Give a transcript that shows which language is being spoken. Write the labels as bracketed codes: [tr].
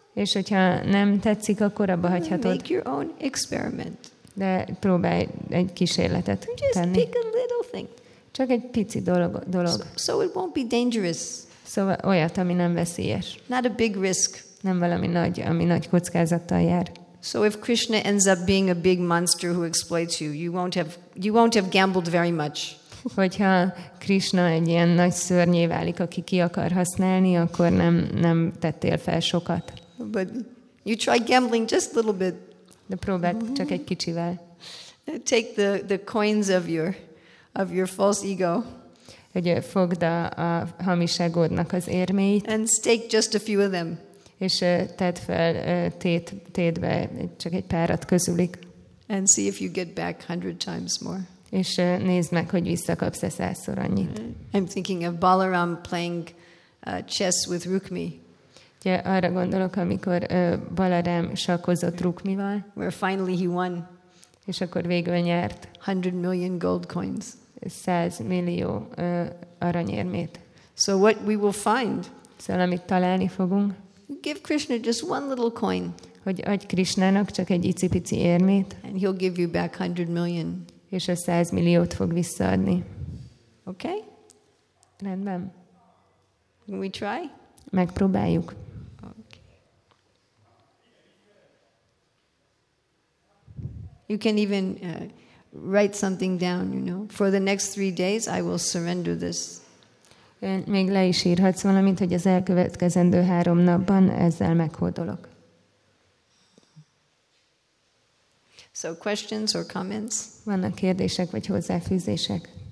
[hu] És hogyha nem tetszik, akkor abba hagyhatod. [en] Make your own experiment. [hu] De próbálj egy kísérletet [en] just [hu] tenni. [en] Just pick a little thing. [hu] Csak egy pici dolog. [en] So it won't be dangerous. [hu] Szóval olyat, ami nem veszélyes. [en] Not a big risk. [hu] Nem valami nagy, ami nagy kockázattal jár. [en] So if Krishna ends up being a big monster who exploits you, you won't have gambled very much. [hu] Hogyha Krishna egy ilyen nagy szörnyé válik, aki ki akar használni, akkor nem tettél fel sokat. [en] But you try gambling just a little bit. [hu] De próbáld csak egy kicsivel. [en] Take the coins of your false ego. [hu] Hogy fogd a hamis egódnak az érméit. [en] And stake just a few of them. [hu] És tedd fel tétbe csak egy párat közülik. [en] And see if you get back 100 times more. [hu] És nézd meg, hogy visszakapsz-e 100-szor annyit. [en] I'm thinking of Balaram playing chess with Rukmi. [hu] Ugye arra gondolok, amikor Balarám sakkozott Rukmival. [en] Where finally he won. [hu] És akkor végül nyert. [en] 100 million gold coins. [hu] 100 millió aranyérmét. [en] So what we will find. [hu] Szóval amit találni fogunk. [en] Give Krishna just one little coin. [hu] Hogy adj Krishnának csak egy icipici érmét. [en] And he'll give you back 100 million. [hu] És a 100 milliót fog visszaadni. [en] Okay? [hu] Rendben. [en] Can we try? [hu] Megpróbáljuk. [en] You can even write something down, you know. For the next 3 days, I will surrender this. [hu] Még le is írhatsz valamit, hogy az elkövetkezendő 3 napban ezzel meghódolok. [en] So questions or comments? [hu] Vannak kérdések vagy hozzáfűzések?